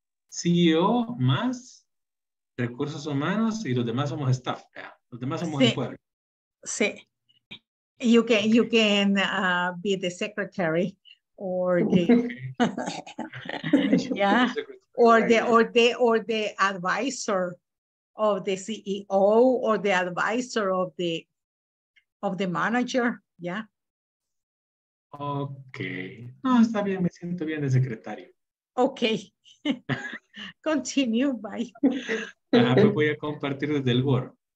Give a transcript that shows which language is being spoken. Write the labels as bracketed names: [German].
[Spanish] CEO más recursos humanos y los demás somos staff. Yeah. Los demás somos sí. En cuadro. [English] Sí. You can, okay. You can be the secretary or the okay. Yeah. Or the advisor of the CEO or the advisor of the manager. Yeah. Ok. [Spanish] No, está bien, me siento bien de secretario. [English] Ok. Continue, bye. [Spanish] Ah, pues voy a compartir desde el board.